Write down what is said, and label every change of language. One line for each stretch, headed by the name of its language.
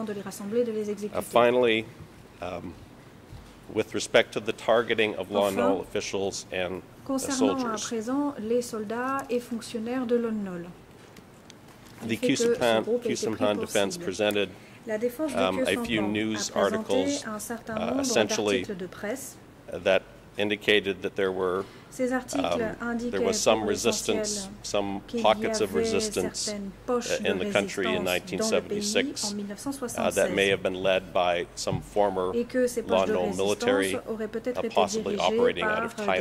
English: Finally, with respect to the targeting of Lon Nol officials and soldiers,
French: à présent, les soldats et fonctionnaires de Lon Nol.
English: The Cusumpan defense presented a few news articles, essentially, that indicated that there were there was some resistance, some pockets of resistance in the country in 1976 that may have been led by some former Lon Nol military, possibly operating out of